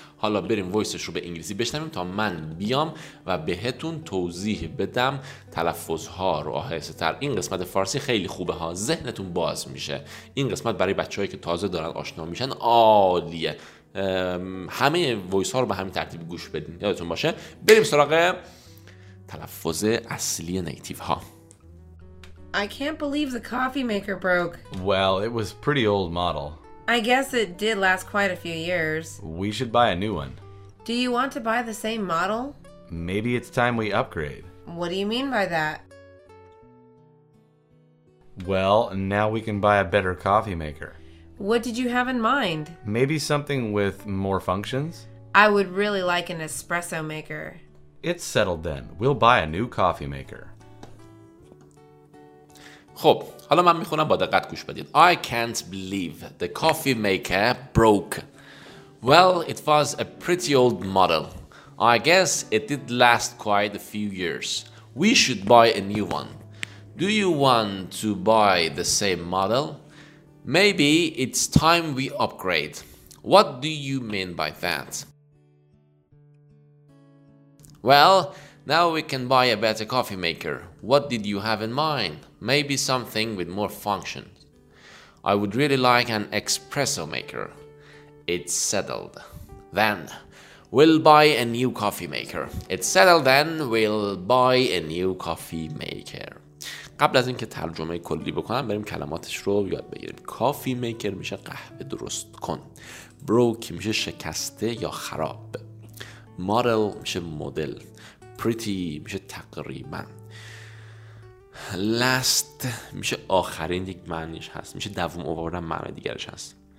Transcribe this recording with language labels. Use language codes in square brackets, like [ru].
[fa] حالا بریم وایسش رو به انگلیسی بشنویم تا من بیام و بهتون توضیح بدم تلفظها رو آهسته تر. این قسمت فارسی خیلی خوبه ها، ذهنتون باز میشه. این قسمت برای بچه‌هایی که تازه دارن آشنا میشن عالیه. همه وایس ها رو به همین ترتیب گوش بدین یادتون باشه. بریم سراغ تلفظ اصلی نیتیو ها. [en] I can't believe the coffee maker broke. Well, it was pretty old model. I guess it did last quite a few years. We should buy a new one. Do you want to buy the same model? Maybe it's time we upgrade. What do you mean by that? Well, now we can buy a better coffee maker. What did you have in mind? Maybe something with more functions? I would really like an espresso maker. It's settled then. We'll buy a new coffee maker. [fa] خب حالا من میخونم با دقت گوش بدید. [en] I can't believe the coffee maker broke. Well, it was a pretty old model. I guess it did last quite a few years. We should buy a new one. Do you want to buy the same model? Maybe it's time we upgrade. What do you mean by that? Well, now we can buy a better coffee maker. What did you have in mind? Maybe something with more functions. I would really like an espresso maker. It's settled. Then, we'll buy a new coffee maker. It's settled then, we'll buy a new coffee maker. [fa] قبل از اینکه ترجمه کلی بکنم بریم کلماتش رو یاد بگیریم. کافی میکر میشه قهوه درست کن. بروک میشه شکسته یا خراب. مدل میشه مدل. پریتی میشه تقریبا. لست میشه آخرین، یک معنیش هست، میشه دوم آوردن، معنی دیگرش هست.